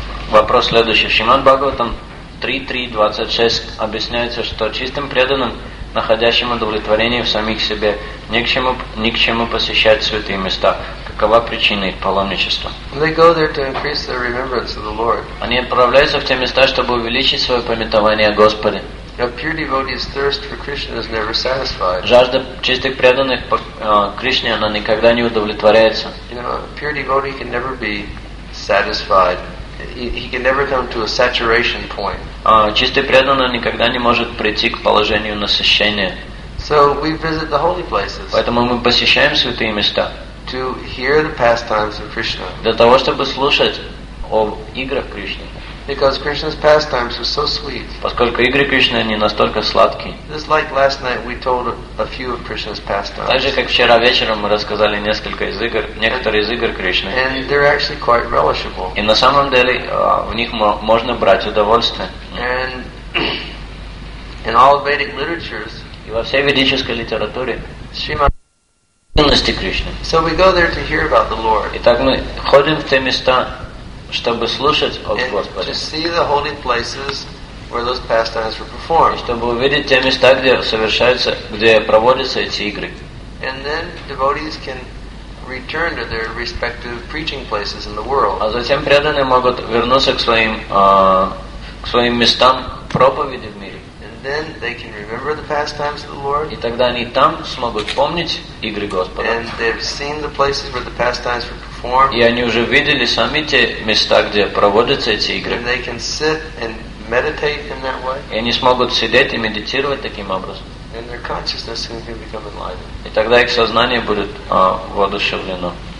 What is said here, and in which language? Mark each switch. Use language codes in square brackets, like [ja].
[ru] Вопрос следующий. В Шримад-Бхагаватам 3.3.26 объясняется, что чистым преданным, находящим удовлетворение в самих себе, ни к чему посещать святые места. Какова причина их паломничества? [en] They go there to increase their remembrance of the Lord. [ru] Они отправляются в те места, чтобы увеличить свое памятование о Господе. [en] A pure devotee's thirst for Krishna is never satisfied. [ru] Жажда чистых преданных по Кришне, она никогда не удовлетворяется. [en] You know, a pure devotee can never be satisfied. He can never come to a saturation point. [ru] Чистый преданный никогда не может прийти к положению насыщения. [en] So we visit the holy places. [ru] Поэтому мы посещаем святые места. [en] To hear the pastimes of Krishna. [ru] Для того, чтобы слушать о играх Кришны. [en] Because Krishna's pastimes are so sweet. [ru] Поскольку игры Кришны, они настолько сладкие. [en] Just like last night, we told a few of Krishna's pastimes. [ru] Так же, как вчера вечером мы рассказали некоторые из игр Кришны. [en] And they're actually quite relishable. [ru] И на самом деле, в них можно брать удовольствие. [en] And in all Vedic literatures, [ru] и во всей ведической литературе, Shrimad-Bhagavatam Krishna. [en] So we go there to hear about the Lord. [ru] Итак, мы ходим в те места, чтобы слушать о Господе. [en] And to see the holy places where those pastimes were performed. [ru] И чтобы увидеть те места, где проводятся эти игры. [en] And then devotees can return to their respective preaching places in the world. [ru] А затем преданные могут вернуться к своим местам проповеди в мире. [en] And then they can remember the pastimes of the Lord. [ru] И тогда они там смогут помнить игры Господа. [en] And they've seen the places where the pastimes were performed. [ru] И они уже видели сами те места, где проводятся эти игры. [en] And they can sit and meditate in that way. [ru] И они смогут сидеть и медитировать таким образом. [en] And their consciousness can become enlightened. [ru] И тогда их сознание будет воодушевлено.